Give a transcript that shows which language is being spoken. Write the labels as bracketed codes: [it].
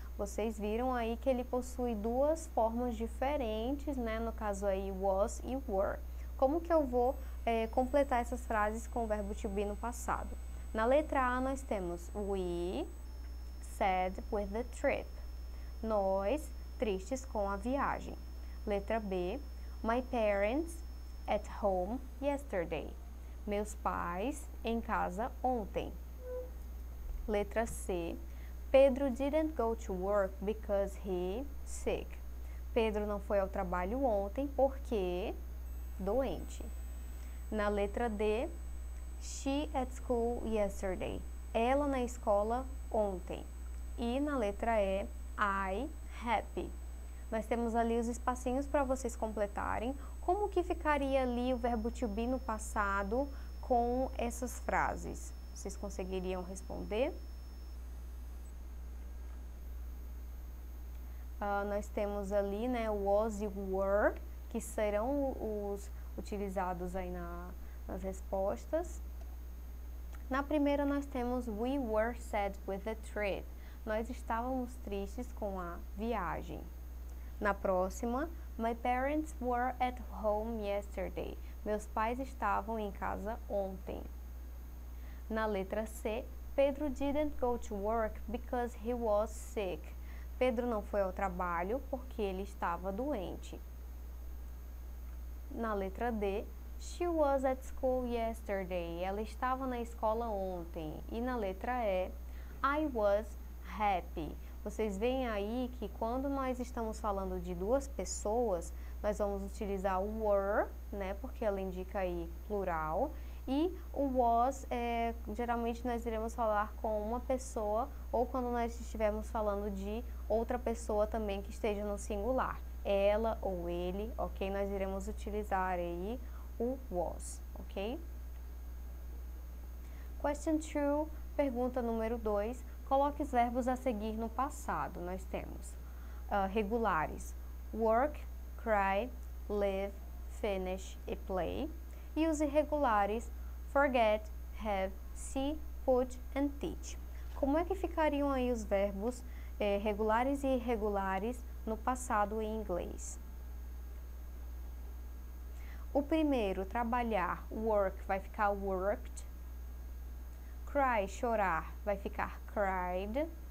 [pt] Vocês viram aí que ele possui duas formas diferentes, né? No caso aí, was e were. Como que eu vou completar essas frases com o verbo to be no passado? Na letra A, nós temos [en] we sad with the trip. [pt] Nós, tristes com a viagem. Letra B, [en] my parents at home yesterday. [pt] Meus pais em casa ontem. Letra C, [en] Pedro didn't go to work because he sick. [pt] Pedro não foi ao trabalho ontem porque doente. Na letra D, [en] she at school yesterday. [pt] Ela na escola ontem. E na letra E, [en] I happy. [pt] Nós temos ali os espacinhos para vocês completarem. Como que ficaria ali o verbo to be no passado com essas frases? Vocês conseguiriam responder? Nós temos ali, né, o was e o were, que serão os utilizados aí nas respostas. Na primeira, nós temos [en] we were sad with the trip. [pt] Nós estávamos tristes com a viagem. Na próxima, [en] my parents were at home yesterday. [pt] Meus pais estavam em casa ontem. Na letra C, [en] Pedro didn't go to work because he was sick. [pt] Pedro não foi ao trabalho porque ele estava doente. Na letra D, [en] she was at school yesterday. [pt] Ela estava na escola ontem. E na letra E, [en] I was happy. [pt] Vocês veem aí que quando nós estamos falando de duas pessoas, nós vamos utilizar o were, né? Porque ela indica aí plural. E o was, geralmente nós iremos falar com uma pessoa ou quando nós estivermos falando de outra pessoa também que esteja no singular. Ela ou ele, ok? Nós iremos utilizar aí o was, ok? [en] Question 2, [pt] pergunta número 2. Coloque os verbos a seguir no passado. Nós temos regulares: work, cry, live, finish e play. E os irregulares: forget, have, see, put and teach. Como é que ficariam aí os verbos regulares e irregulares no passado em inglês? O primeiro, trabalhar, work, vai ficar worked. Cry, chorar, vai ficar cried.